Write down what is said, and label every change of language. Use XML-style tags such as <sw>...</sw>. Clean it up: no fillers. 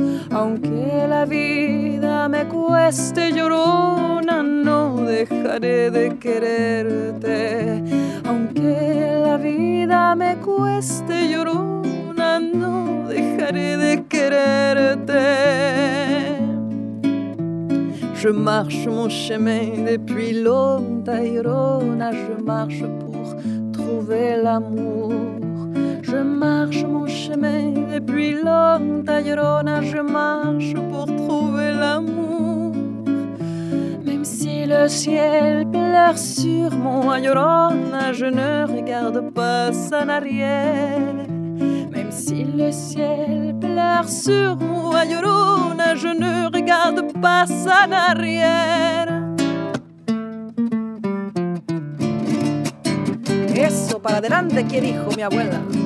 <es>Aunque la vida me cueste, Llorona, no dejaré de quererte. Aunque la vida me cueste, Llorona, no dejaré de quererte.</es> <fr>Je marche mon chemin depuis longtemps, Llorona. Je marche pour trouver l'amour. Je marche mon chemin depuis longtemps, Llorona. Je marche pour trouver l'amour. Même si le ciel pleure sur mon Llorona, je ne regarde pas en arrière. Si le ciel pleure sur moi, Llorona, je ne regarde pas en arrière.</fr> <es>Eso para adelante, que dijo mi abuela.</es>